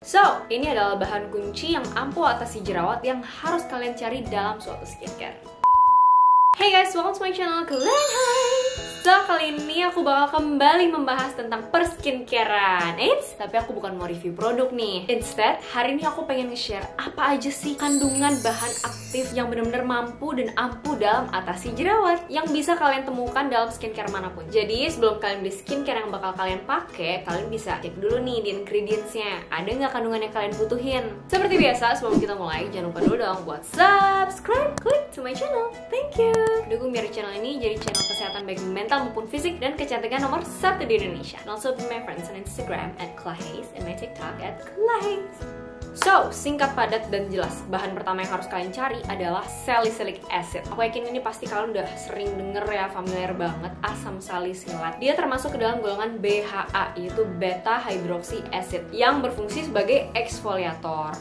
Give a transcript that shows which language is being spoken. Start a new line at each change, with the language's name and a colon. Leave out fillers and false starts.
Indonesian: So, ini adalah bahan kunci yang ampuh atasi jerawat yang harus kalian cari dalam suatu skincare.
English: Hey guys, welcome to my channel, Glam High.
Indonesian: So, kali ini aku bakal kembali membahas tentang perskincarean. Eits, tapi aku bukan mau review produk nih. Instead, hari ini aku pengen nge-share apa aja sih kandungan bahan aktif yang benar-benar mampu dan ampuh dalam atasi jerawat yang bisa kalian temukan dalam skincare manapun. Jadi, sebelum kalian beli skincare yang bakal kalian pakai, kalian bisa cek dulu nih di ingredients-nya. Ada nggak kandungan yang kalian butuhin? Seperti biasa, sebelum kita mulai, jangan lupa dulu dong buat subscribe, klik to my channel.
English: Thank you.
Indonesian: Dukung biar channel ini jadi channel kesehatan baik mental maupun fisik dan kecantikan nomor 1 di Indonesia.
English: And also be my friends on Instagram @klahaze and my TikTok @klahaze.
Indonesian: So, singkat, padat, dan jelas, bahan pertama yang harus kalian cari adalah salicylic acid. Aku yakin ini pasti kalian udah sering denger ya, familiar banget, asam salisilat. Dia termasuk ke dalam golongan BHA, yaitu beta hydroxy acid, yang berfungsi sebagai eksfoliator.